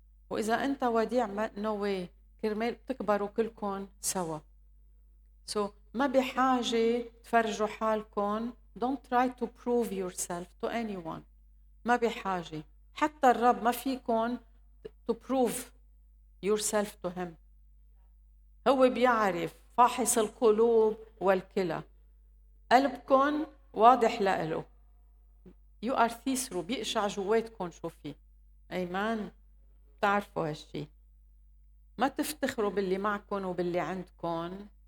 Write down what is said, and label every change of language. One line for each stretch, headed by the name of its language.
Arabic: وإذا أنت وديع ما نوي كرمال تكبروا كلكم سوا. So ما بحاجة تفرجوا حالكم.
English: Don't try to prove yourself to anyone.
Arabic: ما بحاجة. حتى الرب ما فيكم
English: to prove yourself to him.
Arabic: هو بيعرف، فاحص القلوب والكلى. قلبكم واضح لإله.
English: You are thesro،
Arabic: بيقشع جواتكم شو فيه. ايمان، بتعرفوا هالشي. ما تفتخروا باللي معكم وباللي عندكم.